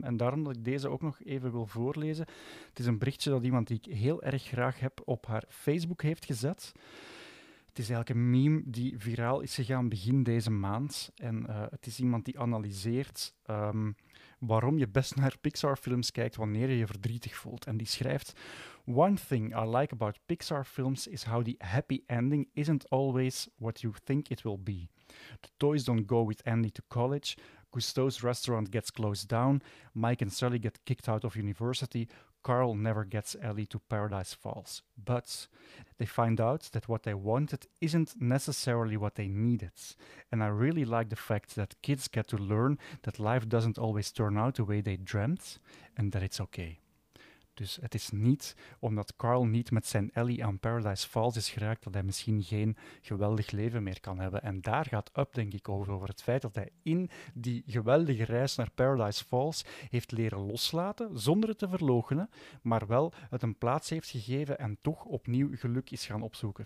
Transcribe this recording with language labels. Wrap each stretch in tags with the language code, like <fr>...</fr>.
<nl>En daarom dat ik deze ook nog even wil voorlezen. Het is een berichtje dat iemand die ik heel erg graag heb op haar Facebook heeft gezet. Het is eigenlijk een meme die viraal is gegaan begin deze maand. En het is iemand die analyseert waarom je best naar Pixar-films kijkt wanneer je je verdrietig voelt.</nl> <en>En die schrijft: "One thing I like about Pixar-films is how the happy ending isn't always what you think it will be. The toys don't go with Andy to college. Cousteau's restaurant gets closed down. Mike and Sully get kicked out of university. Carl never gets Ellie to Paradise Falls. But they find out that what they wanted isn't necessarily what they needed. And I really like the fact that kids get to learn that life doesn't always turn out the way they dreamt and that it's okay."</en> <nl>Dus het is niet omdat Carl niet met zijn Ellie aan Paradise Falls is geraakt dat hij misschien geen geweldig leven meer kan hebben. En daar gaat Up, denk ik, over het feit dat hij in die geweldige reis naar Paradise Falls heeft leren loslaten, zonder het te verloochenen, maar wel het een plaats heeft gegeven en toch opnieuw geluk is gaan opzoeken.</nl>